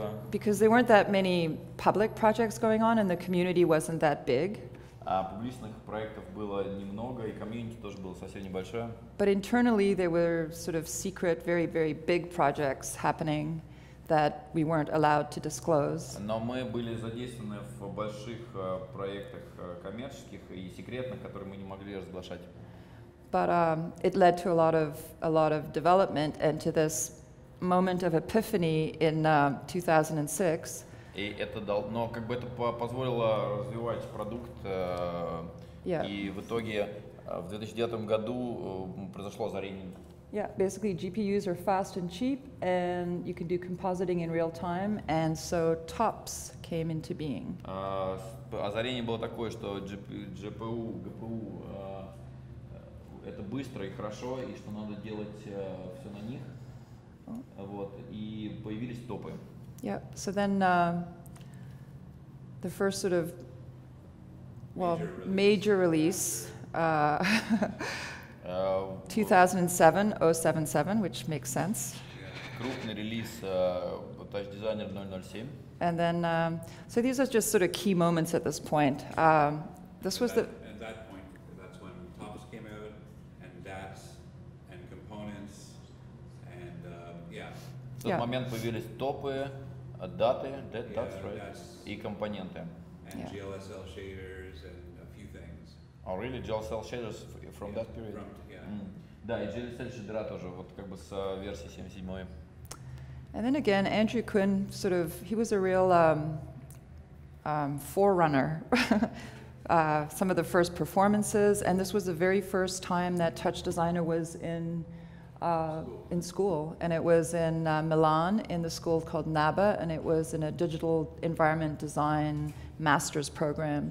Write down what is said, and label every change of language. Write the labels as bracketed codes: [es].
[en] because there weren't that many public projects going on and the community wasn't that big. [ru] Публичных проектов было немного, и комьюнити тоже было совсем небольшое. [en] But internally there were sort of secret, very, very big projects happening that we weren't allowed to disclose. [ru] Но мы были задействованы в больших проектах коммерческих и секретных, которые мы не могли разглашать. [en] But it led to a lot of development and to this moment of epiphany in 2006. [ru] И это дал, но как бы это позволило развивать продукт, и в итоге в 2009 году произошло озарение. [en] Yeah, basically GPUs are fast and cheap, and you can do compositing in real time, and so TOPS came into being. [ru] Озарение было такое, что GPU, GPU, это быстро и хорошо, и что надо делать все на них, вот, и появились топы. [en] Yeah, so then the first sort of, well, major release, 2007, which makes sense. [ru] Крупный релиз TouchDesigner 007. [en] And then, so these are just sort of key moments at this point. This was the... At that point, that's when TOPS came out, and DApps, and components, and yeah. [ru] В тот момент появились топы. Даты, и компоненты. [en] And GLSL shaders and a few things. Oh, really? GLSL shaders from that period? From, [ru] Да, и GLSL шейдера тоже, вот как бы с версии 77. [en] And then again, Andrew Quinn sort of, he was a real forerunner. some of the first performances, and this was the very first time that TouchDesigner was in school, and it was in Milan in the school called NABA, and it was in a digital environment design master's program.